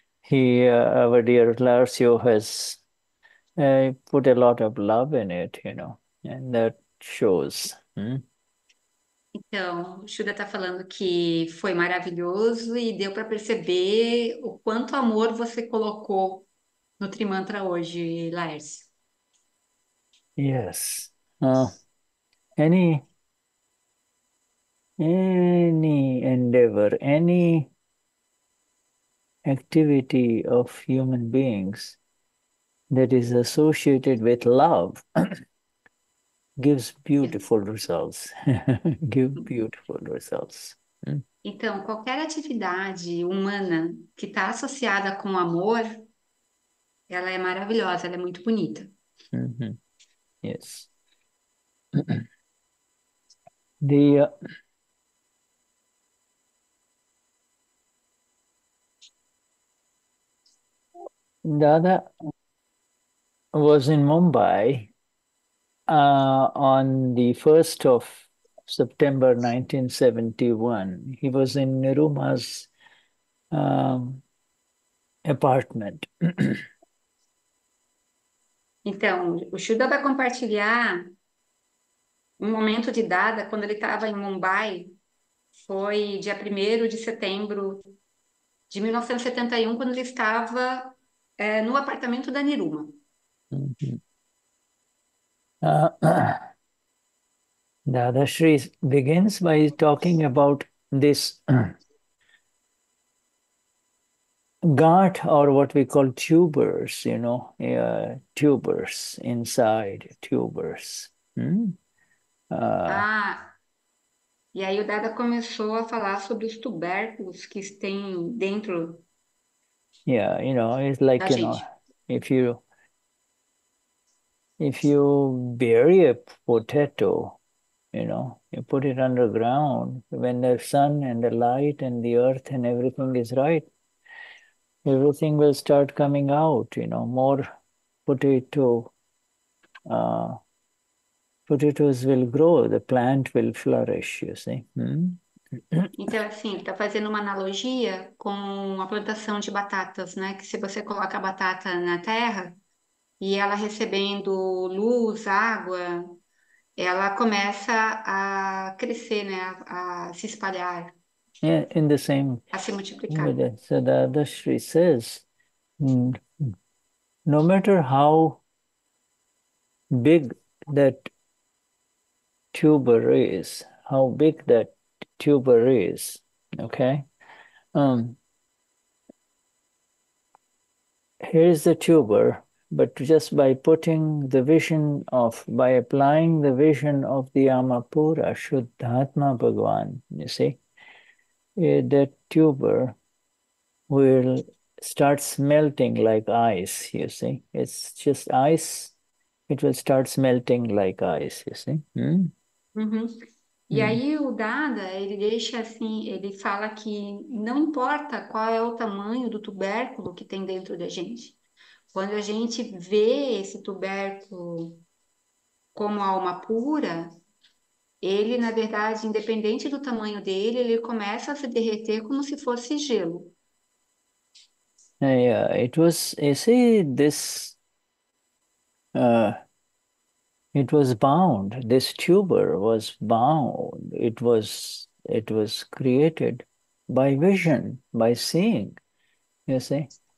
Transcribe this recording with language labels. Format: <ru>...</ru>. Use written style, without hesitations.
<en>Our dear Lárcio has put a lot of love in it, and that shows.</en> <pt>Então, o Shuda está falando que foi maravilhoso e deu para perceber o quanto amor você colocou no Trimantra hoje, Laércio.</pt> <en>Yes. Any endeavor, any activity of human beings that is associated with love gives beautiful results. Give beautiful results.</en> <pt>Então, qualquer atividade humana que está associada com amor, ela é maravilhosa, ela é muito bonita.</pt> <en>Yes. The Dada was in Mumbai on the 1st of September 1971. He was in Niruma's apartment.</en> <pt>Então, o Shuddha vai compartilhar um momento de Dada quando ele estava em Mumbai, foi dia 1º de setembro de 1971, quando ele estava no apartamento da Niruma.</pt> <en>Dada Shri begins by talking about this gut, or what we call tubers, tubers inside, tubers.</en> <pt>Ah, e aí o Dada começou a falar sobre os tubérculos que tem dentro</pt> <en>It's like,</en> <pt>da gente.</pt> <en>If you bury a potato, you put it underground, when the sun and the light and the earth and everything is right, everything will start coming out, more potatoes will grow, the plant will flourish, you see.</en> <pt>Então, assim, está fazendo uma analogia com a plantação de batatas, né? Que se você coloca a batata na terra e ela recebendo luz, água, ela começa a crescer, né? A se espalhar,</pt> <en>Yeah, in the same</en> <pt>a se</pt> <en>with</en> <pt>multiplicar.</pt> <en>it. So the Shri says, no matter how big that tuber is, okay, here's the tuber, but just by putting the vision of, by applying the vision of the Amapura, Shuddhatma Bhagwan, you see. That tuber will start smelting like ice, you see. It's just ice. It will start smelting like ice, you see.</en> <pt>E aí o Dada, ele deixa assim, ele fala que não importa qual é o tamanho do tubérculo que tem dentro da gente, quando a gente vê esse tubérculo como alma pura, ele, na verdade, independente do tamanho dele, ele começa a se derreter como se fosse gelo.</pt> <en>It was, you see, this, it was bound, this tuber was bound, it was created by vision, by seeing, you see.</en>